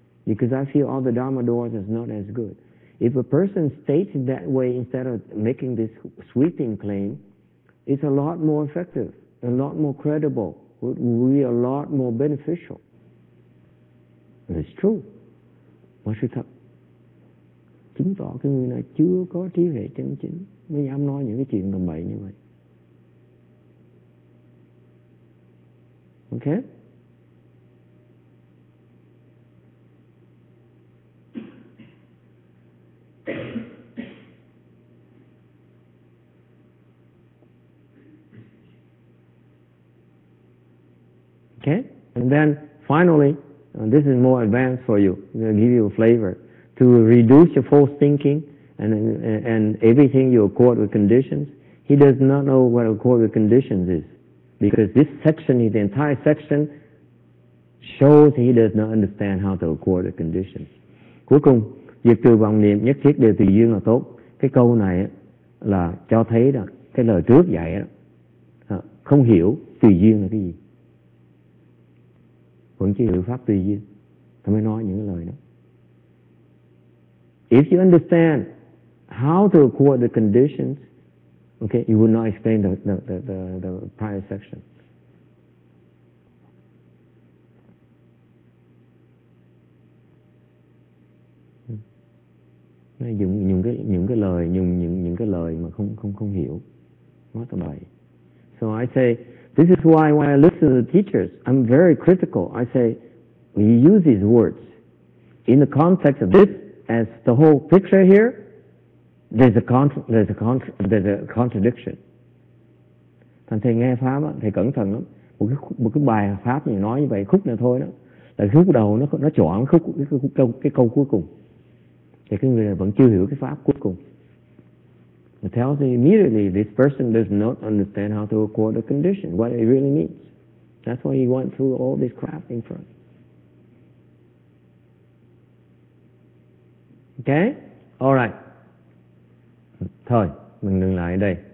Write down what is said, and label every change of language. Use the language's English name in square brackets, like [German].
[English] Because I feel all the Dharma doors is not as good. If a person states it that way instead of making this sweeping claim, it's a lot more effective, a lot more credible, would be a lot more beneficial. And it's true. What should happen? [Vietnamese] Chứng tỏ cái người này chưa có trí huệ chân chính mới dám nói những cái chuyện tầm bậy như vậy. [English] Ok? Ok? And then, finally, this is more advanced for you. I'm going to give you a flavor. To reduce your false thinking and everything you accord with conditions, he does not know what accord with conditions is, because this section, the entire section, shows he does not understand how to accord with conditions. [Vietnamese] Cuối cùng, diệt trừ vọng niệm nhất thiết đều tùy duyên là tốt. Cái câu này là cho thấy là cái lời trước dạy đó, không hiểu tùy duyên là cái gì. Vẫn chưa hiểu pháp tùy duyên, ta mới nói những lời đó. [English] If you understand how to acquire the conditions, okay, you will not explain the prior section. [Vietnamese] Dùng những cái lời mà không hiểu nói tới bài. [English] So I say this is why when I listen to the teachers, I'm very critical. I say when you use these words in the context of this as the whole picture here, there's a contradiction. [Vietnamese] Thành thầy nghe pháp á, thầy cẩn thận lắm. Một cái bài pháp gì nói như vậy khúc này thôi đó, là khúc đầu nó chọn khúc cái câu cuối cùng. Thì cái người này vẫn chưa hiểu cái pháp cuối cùng. [English] It tells me immediately this person does not understand how to acquire the condition, what it really means. That's why he went through all this crap in front. Okay? All right. [Vietnamese] Thôi, mình đừng lại ở đây.